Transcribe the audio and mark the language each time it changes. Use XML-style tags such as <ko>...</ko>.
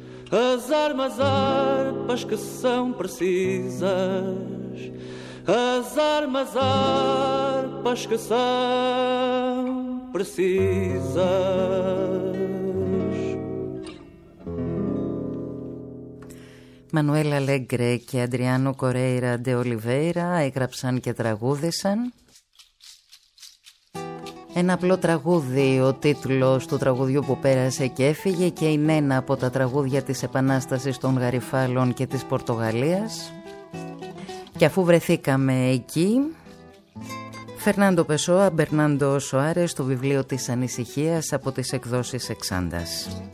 <pt>As armas, arpas que são precisas. As armas, arpas que são precisas.</pt> <el>Manuel Alegre και Adriano Correira de Oliveira έγραψαν και τραγούδησαν. Ένα απλό τραγούδι, ο τίτλος του τραγουδιού που πέρασε και έφυγε και είναι ένα από τα τραγούδια της Επανάστασης των Γαριφάλων και της Πορτογαλίας. Και αφού βρεθήκαμε εκεί, Φερνάντο Πεσόα, Μπερνάντο Σοάρες, το βιβλίο της Ανησυχίας από τις εκδόσεις Εξάντας.</el>